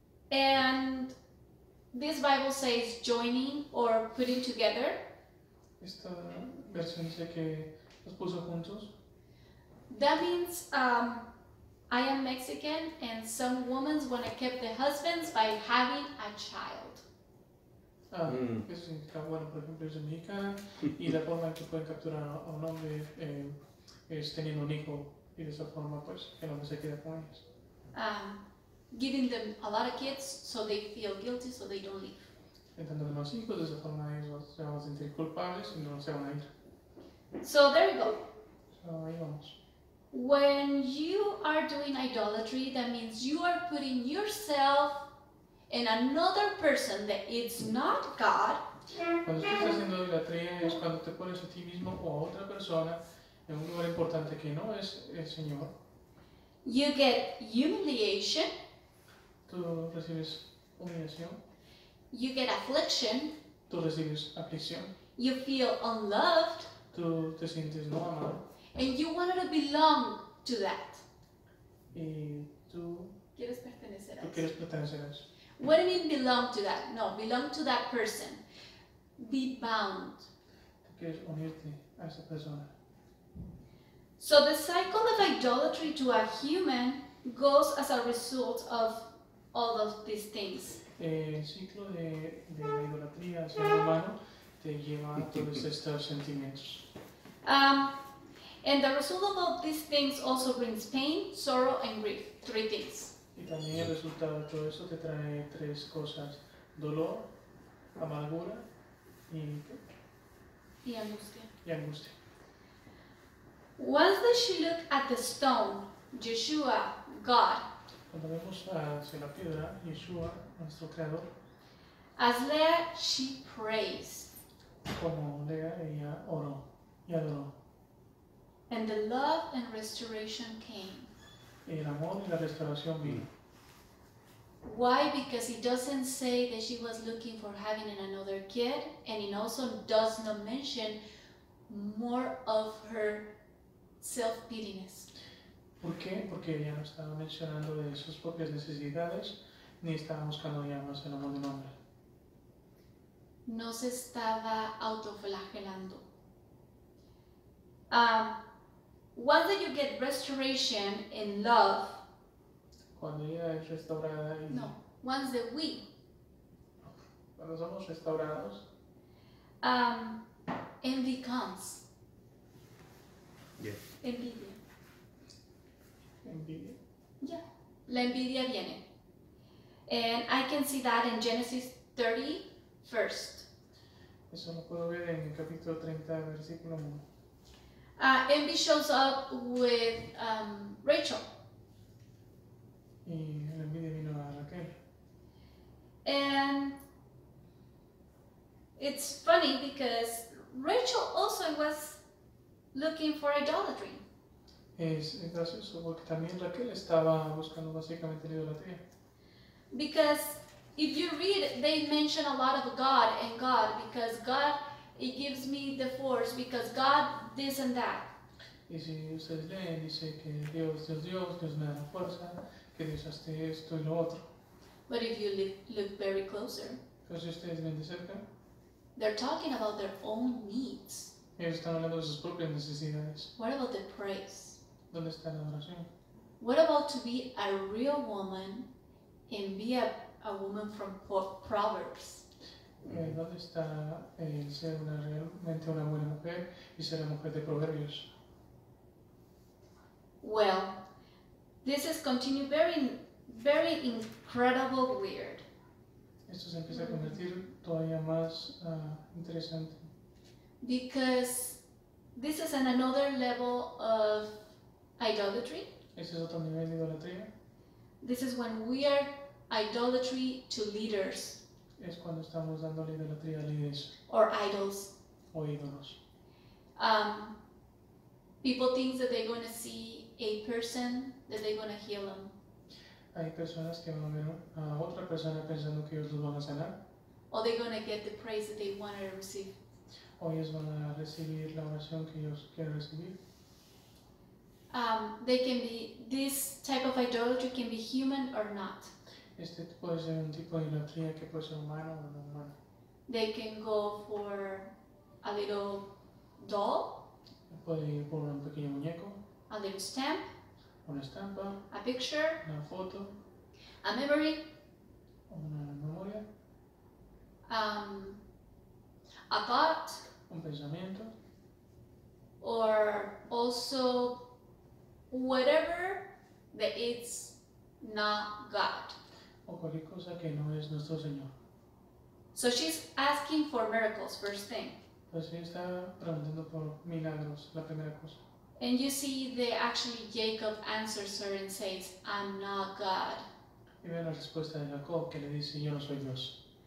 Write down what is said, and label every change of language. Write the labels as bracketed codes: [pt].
[en] And this Bible says joining or putting together. [es] Esta versión dice que los puso juntos. [en] That means I am Mexican and some women want to keep their husbands by having a child. [es] Eso significa, bueno, por ejemplo, es mexicana y la forma en que pueden capturar a un hombre es teniendo un hijo. Y de esa forma, pues, que no se quede con ellos. [en] Giving them a lot of kids so they feel guilty so they don't leave. [es] Entonces, los hijos, de esa forma, ellos se van a sentir culpables y no se van a ir. [en] So, there you go. [es] So, ahí vamos. [en] When you are doing idolatry, that means you are putting yourself in another person that is not God. [es] Cuando estás haciendo idolatría es cuando te pones a ti mismo o a otra persona en un lugar importante que no es el Señor. [en] You get humiliation. [es] Tú recibes humillación. [en] You get affliction. [es] Tú recibes aflicción. [en] You feel unloved. [es] Tú te sientes no amado. [en] And you wanted to belong to that. [es] Y tú quieres pertenecer a eso. Tú quieres pertenecer a eso. [en] What do you mean belong to that? No, belong to that person. Be bound. [es] Tú quieres unirte a esa persona. [en] So the cycle of idolatry to a human goes as a result of all of these things. [es] El ciclo de idolatría hacia el humano te lleva a todos estos sentimientos. [en] And the result of all these things also brings pain, sorrow, and grief. Three things. [es] Y también el resultado de todo eso te trae tres cosas: dolor, amargura y ¿qué? Y angustia. Y angustia. [en] Once that she looked at the stone, Yeshua, God, [es] cuando vemos hacia la piedra, Yeshua, nuestro creador, [en] as Leah, she prays. [es] Como Leah, ella oró y adoró. [en] And the love and restoration came. [es] El amor y la restauración vino. [en] Why? Because it doesn't say that she was looking for having another kid, and it also does not mention more of her self-pityness. [es] ¿Por qué? Porque ella no estaba mencionando de sus propias necesidades, ni estaba buscando ya más el amor de un hombre. No se estaba autoflagelando. [en] Once that you get restoration in love, [es] cuando ella es restaurada y [en] no, once that we, [es] cuando somos restaurados, [en] envy comes. Yes. [es] Envidia. Yeah, la envidia viene. [en] And I can see that in Genesis 30, first. [es] Eso lo puedo ver en el capítulo 30, versículo 1. [en] Envy shows up with Rachel. [es] Y la envidia vino a Raquel. [en] And it's funny because Rachel also was looking for idolatry. [es] Es gracioso porque también Raquel estaba buscando básicamente la idolatría. [en] Because if you read, they mention a lot of God and God, because God, it gives me the force, because God, this and that. [es] Y si ustedes leen, dice que Dios es Dios, Dios me da la fuerza, que Dios hace esto y lo otro. [en] But if you look very closer, [es] pero si ustedes ven de cerca, [en] they're talking about their own needs. [es] Ellos están hablando de sus propias necesidades. [en] What about the praise? [es] ¿Dónde está la oración? [en] What about to be a real woman and be a woman from Proverbs? [es] ¿Dónde está el ser una, realmente una buena mujer y ser la mujer de Proverbios? [en] Well, this is continued very, very incredible weird. [es] Esto se empieza a convertir todavía más interesante. [en] Because this is an another level of idolatry. [es] Este es otro nivel de idolatría. [en] This is when we are idolatry to leaders. [es] Es cuando estamos dando la idolatría a líderes. [en] Or idols. [es] O ídolos. [en] People think that they're going to see a person, that they're going to heal them. [es] Hay personas que van a ver a otra persona pensando que ellos los van a sanar. [en] Or they're going to get the praise that they want to receive. [es] O ellos van a recibir la oración que ellos quieren recibir. [en] They can be, this type of idolatry can be human or not. [es] Este puede ser un tipo de idolatría que puede ser humano o no humano. [en] They can go for a little doll. [es] Puede ir por un pequeño muñeco. [en] A little stamp. [es] Una estampa. [en] A picture. [es] Una foto. [en] A memory. [es] Una memoria. [en] A thought. [es] Un pensamiento. [en] Or also whatever that it's not God. [es] O cualquier cosa que no es nuestro Señor. [en] So she's asking for miracles, first thing. [es] Pues ella está preguntando por milagros, la primera cosa. [en] And you see that actually Jacob answers her and says, I'm not God. [es] Y ve la respuesta de Jacob que le dice, yo no soy Dios.